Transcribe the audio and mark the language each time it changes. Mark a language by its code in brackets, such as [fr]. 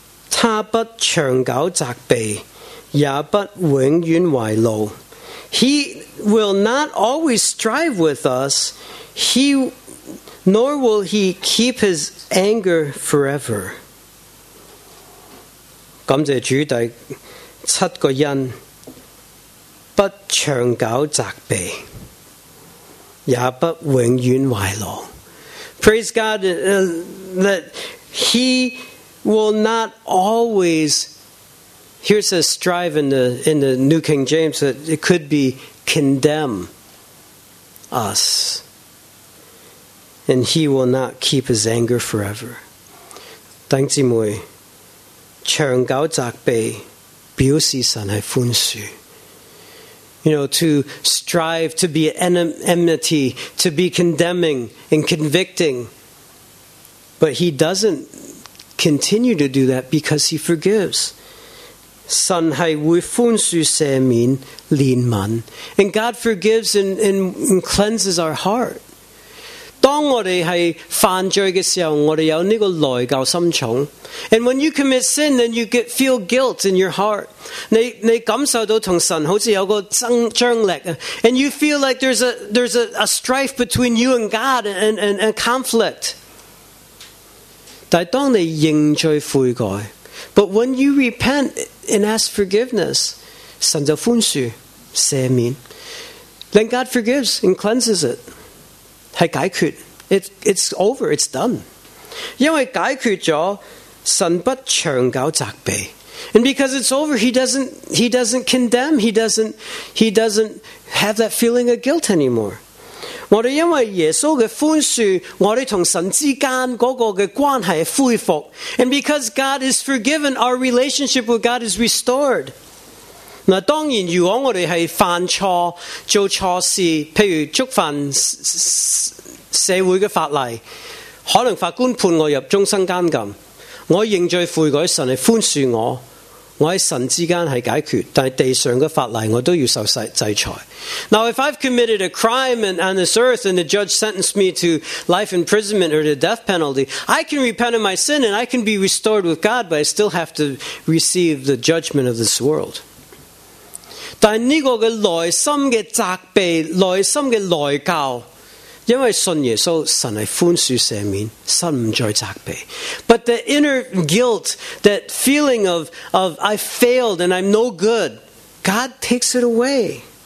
[zh] 他不长久责备，也不永远怀怒。 [en] He will not always strive with us, nor will he keep his anger forever. [zh] 感谢主第七个恩。不长久责备，也不永远怀怒。 [en] Praise God, that he will not always, here it says strive in the New King James, that it could be condemn us. And he will not keep his anger forever. [zh] 弟兄姊妹，长久责备表示神是宽恕。 [en] You know, to strive to be enmity, to be condemning and convicting. But he doesn't continue to do that because he forgives. [zh] 神是会宽恕赦免怜悯。 [en] And God forgives and cleanses our heart. [zh] 当我们是犯罪的时候，我们有这个内疚心肠。 [en] And when you commit sin, then you get, feel guilt in your heart. [zh] 你感受到跟神好像有个张力。 [en] And you feel like there's a strife between you and God and a conflict. [zh] 但当你认罪悔改， [en] But when you repent and ask forgiveness, [zh] 神就宽恕赦免。 [en] Then God forgives and cleanses it. [zh] 是解决 [en] it's over, it's done. [zh] 因为解决了神不长久责备。 [en] And because it's over, he doesn't condemn, he doesn't have that feeling of guilt anymore. [zh] 我们因为耶稣的宽恕，我们跟神之间那个的关系恢复。 [en] And because God is forgiven, our relationship with God is restored. [zh] 那当然，如果我们是犯错、做错事，譬如触犯社会的法例，可能法官判我入终身监禁，我认罪悔改，神是宽恕我，我在神之间是解决，但是地上的法例我都要受制裁。 [en] Now, if I've committed a crime on this earth and the judge sentenced me to life imprisonment or the death penalty, I can repent of my sin and I can be restored with God, but I still have to receive the judgment of this world. [zh] 但这个的内心的责备，内心的内疚，因为信耶稣，神是宽恕赦免，神不再责备。 [en] But the inner guilt, that feeling of I failed and I'm no good, God takes it away.